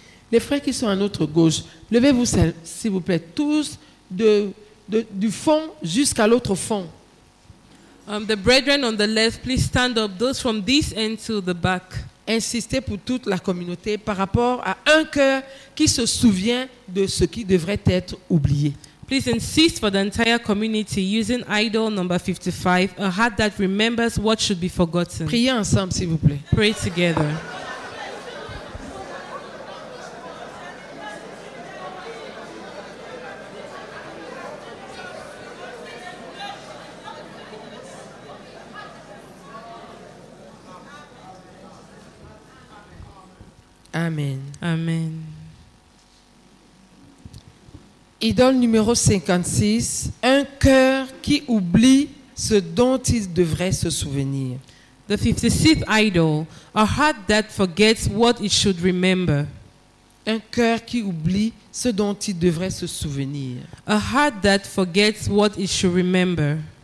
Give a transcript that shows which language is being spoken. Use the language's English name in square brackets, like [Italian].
[French] Les frères qui sont à notre gauche, levez-vous s'il vous plaît, tous du fond jusqu'à l'autre fond. [English] The brethren on the left, please stand up. Those from this end to the back. [French] Insister pour toute la communauté par rapport à un cœur qui se souvient de ce qui devrait être oublié. [English] Please insist for the entire community using idol number 55, a heart that remembers what should be forgotten. [French] Priez ensemble, s'il vous plaît. [English] Pray together. Amen. Amen. [French] Idole numéro 56, un cœur qui oublie ce dont il devrait se souvenir. [English] The 56th idol, a heart that forgets what it should remember. [French] Un cœur qui oublie ce dont il devrait se souvenir. [English] A heart that forgets what it should remember.